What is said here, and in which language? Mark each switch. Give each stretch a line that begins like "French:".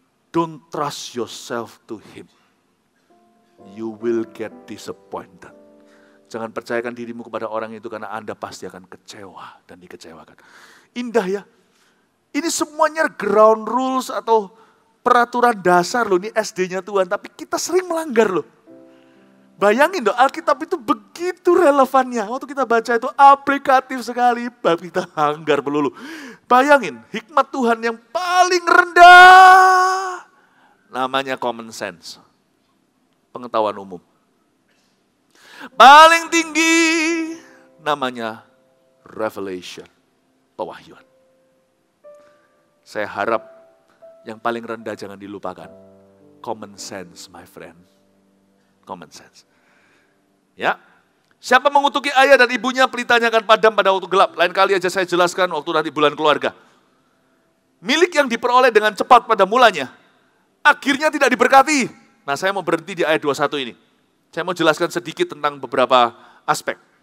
English: Don't trust yourself to him. You will get disappointed.
Indonesian: Jangan percayakan dirimu kepada orang itu karena Anda pasti akan kecewa dan dikecewakan. Indah ya. Ini semuanya
English: ground rules
Indonesian: atau peraturan dasar loh. Ini SD-nya Tuhan. Tapi kita sering melanggar loh. Bayangin dong, Alkitab itu begitu relevannya. Waktu kita baca itu aplikatif sekali. Tapi kita hanggar melulu. Bayangin, hikmat Tuhan yang paling rendah. Namanya common sense. Pengetahuan umum. Paling tinggi. Namanya revelation. Pewahyuan. Saya harap yang paling rendah jangan dilupakan.
English: Common sense, my friend. Common sense. Ya,
Indonesian: Siapa mengutuki ayah dan ibunya, pelitanya akan padam pada waktu gelap. Lain kali aja saya jelaskan waktu nanti bulan keluarga. Milik yang diperoleh dengan cepat pada mulanya, akhirnya tidak diberkati. Nah, saya mau berhenti di ayat 21 ini. Saya mau jelaskan sedikit tentang beberapa aspek.